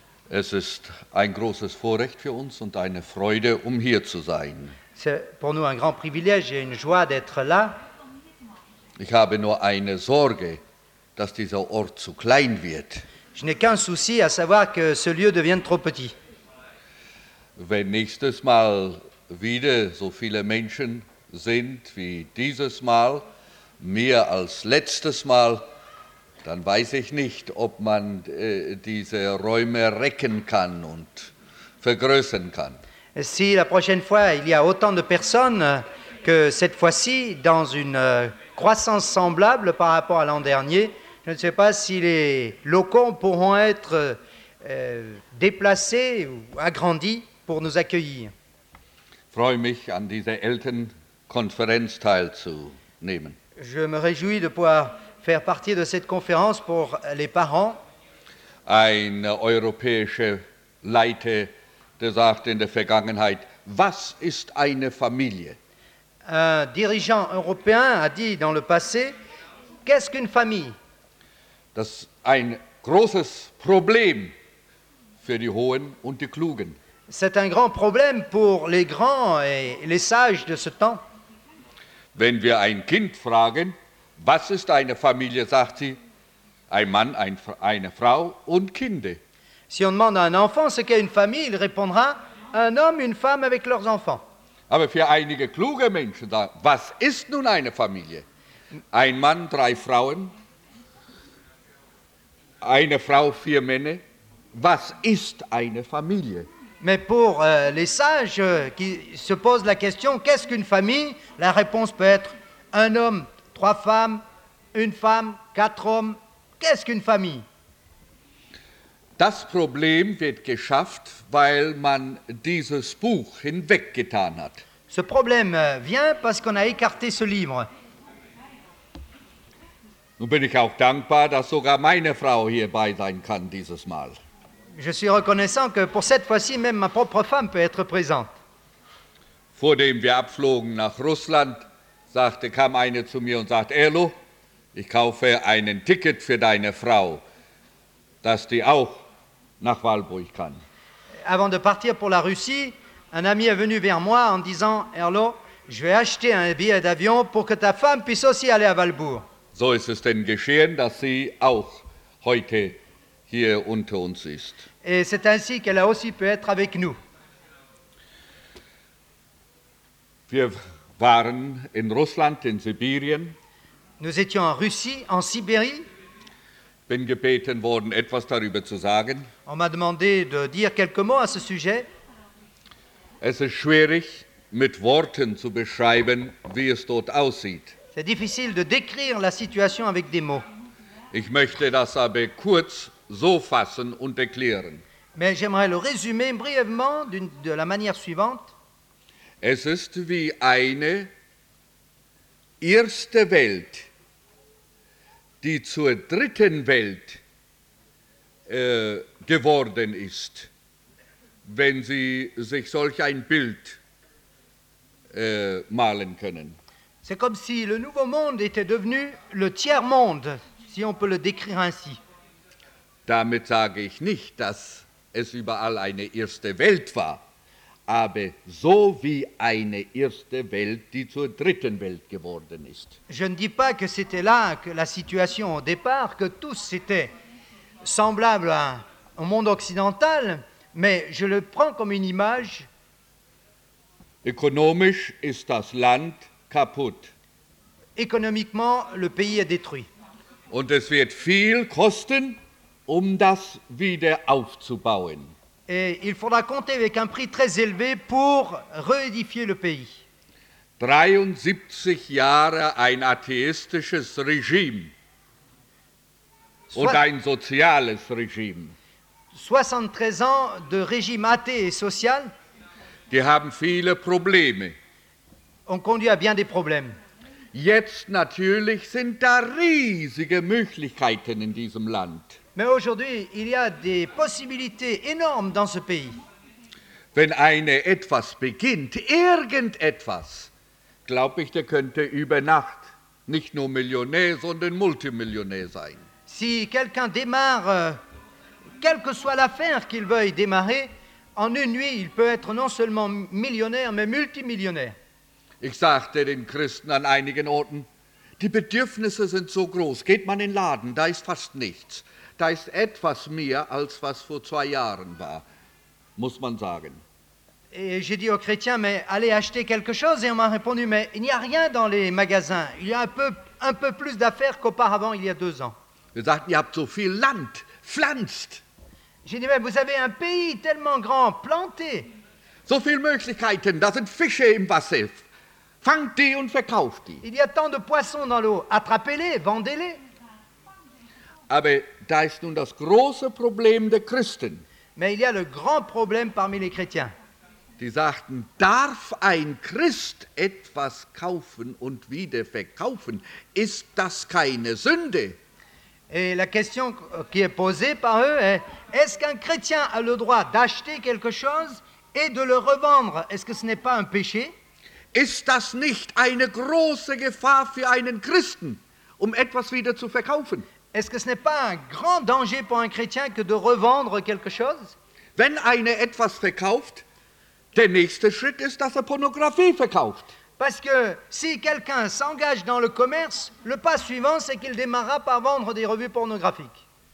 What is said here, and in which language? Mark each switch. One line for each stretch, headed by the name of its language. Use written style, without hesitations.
German: ist ein großes Vorrecht für uns und eine Freude, um hier zu sein.
French: C'est pour nous un grand privilège et une joie d'être là.
German: Ich habe nur eine Sorge, dass dieser Ort zu klein wird.
French: Je n'ai qu'un souci, à savoir que ce lieu devienne trop petit.
German: Wenn nächstes Mal wieder so viele Menschen sind wie dieses Mal, mehr als letztes Mal, dann weiß ich nicht, ob man diese Räume recken kann und vergrößern kann.
French: Si la prochaine fois il y a autant de personnes que cette fois-ci, dans une croissance semblable par rapport à l'an dernier, je ne sais pas si les locaux pourront être déplacés ou agrandis pour nous accueillir.
German: Freue mich an dieser Elternkonferenz teilzunehmen.
French: Je me réjouis de pouvoir faire partie de cette conférence pour les parents.
German: Ein europäischer Leiter, der sagte in der Vergangenheit, was ist eine Familie?
French: Un dirigeant européen a dit dans le passé, qu'est-ce qu'une famille?
German: Das ist ein großes Problem für die Hohen und die Klugen.
French: C'est un grand problème pour les grands et les sages de ce temps.
German: Wenn wir ein Kind fragen, was ist eine Familie, sagt sie, ein Mann, eine Frau und Kinder.
French: Si on demande à un enfant ce qu'est une famille, il répondra, un homme, une femme avec leurs enfants.
German: Aber für einige kluge Menschen, was ist nun eine Familie? Ein Mann, drei Frauen, eine Frau, vier Männer, was ist eine Familie?
French: Mais pour les sages qui se posent la question, qu'est-ce qu'une famille? La réponse peut être un homme, trois femmes, une femme, quatre hommes. Qu'est-ce qu'une famille?
German: Das Problem wird geschafft, weil man dieses Buch hinweggetan hat.
French: Ce problème vient parce qu'on a écarté ce livre.
German: Nun bin ich auch dankbar, dass sogar meine Frau hierbei sein kann dieses Mal.
French: Je suis reconnaissant que pour cette fois-ci, même ma propre femme peut être présente.
German: Vor dem wir abflogen nach Russland, kam eine zu mir und sagte, Erlo, ich kaufe einen Ticket für deine Frau, dass die auch nach Walburg kann.
French: Avant de partir pour la Russie, un ami est venu vers moi en disant, Erlo, je vais acheter un billet d'avion pour que ta femme puisse aussi aller à Walburg.
German: So ist es denn geschehen, dass sie auch heute hier unter uns ist.
French: Et c'est ainsi qu'elle a aussi pu être avec nous.
German: Wir waren in Russland, in Sibirien.
French: Nous étions en Russie, en Sibérie.
German: Bin gebeten worden, etwas darüber zu sagen.
French: On m'a demandé de dire quelques mots à ce sujet.
German: Es ist schwierig, mit Worten zu beschreiben, wie es dort aussieht.
French: C'est difficile de décrire la situation avec des mots.
German: Ich möchte das aber kurz so fassen und erklären.
French: Mais j'aimerais le résumer brièvement de la manière suivante.
German: Es ist wie eine erste Welt, die zur dritten Welt geworden ist, wenn Sie sich solch ein Bild malen können.
French: C'est comme si le nouveau monde était devenu le tiers monde, si on peut le décrire ainsi.
German: Damit sage ich nicht, dass es überall eine erste Welt war, aber so wie eine erste Welt, die zur dritten Welt geworden ist.
French: Je ne dis pas que c'était là que la situation au départ, que tout c'était semblable au monde occidental, mais je le prends comme une image.
German: Ökonomisch ist das Land kaputt.
French: Économiquement, le pays est détruit.
German: Und es wird viel kosten, um das wieder aufzubauen.
French: Et il faudra compter avec un prix très élevé pour réédifier le pays.
German: 73 Jahre ein atheistisches Regime und ein soziales Regime.
French: 73 ans de régime athée et social.
German: Die haben viele Probleme.
French: On conduit à bien des problèmes.
German: Jetzt natürlich sind da riesige Möglichkeiten in diesem Land.
French: Mais aujourd'hui, il y a des possibilités énormes dans ce pays.
German: Wenn eine etwas beginnt, irgendetwas, glaube ich, der könnte über Nacht nicht nur Millionär, sondern Multimillionär sein.
French: Si quelqu'un démarre quelle que soit l'affaire qu'il veuille démarrer, en une nuit, il peut être non seulement millionnaire, mais multimillionnaire.
German: Ich sagte den Christen an einigen Orten, die Bedürfnisse sind so groß, geht man in den Laden, da ist fast nichts. Da ist etwas mehr, als was vor zwei Jahren war, muss man sagen.
French: Et j'ai dit aux chrétiens, mais allez acheter quelque chose. Et on m'a répondu, mais il n'y a rien dans les magasins. Il y a un peu plus d'affaires qu'auparavant, il y a deux ans.
German: Wir sagten, ihr habt so viel Land, pflanzt.
French: J'ai dit, mais vous avez un pays tellement grand, planté.
German: So viele Möglichkeiten, da sind Fische im Wasser. Fangt die und verkauft die.
French: Il y a tant de poissons dans l'eau. Attrapez-les, vendez-les.
German: Aber da ist nun das große Problem der Christen.
French: Mais il y a le grand problème parmi les chrétiens.
German: Die sagten, darf ein Christ etwas kaufen und wieder verkaufen? Ist das keine Sünde?
French: Et la question qui est posée par eux est, est-ce qu'un chrétien a le droit d'acheter quelque chose et de le revendre? Est-ce que ce n'est pas un péché?
German: Ist das nicht eine große Gefahr für einen Christen, um etwas wieder zu verkaufen?
French: Est-ce que ce n'est pas un grand danger pour un chrétien que de revendre quelque chose?
German: Wenn einer etwas verkauft, der nächste Schritt ist, dass er Pornografie verkauft.
French: Parce que si quelqu'un s'engage dans le commerce, le pas suivant, c'est qu'il démarra par vendre des revues pornographiques.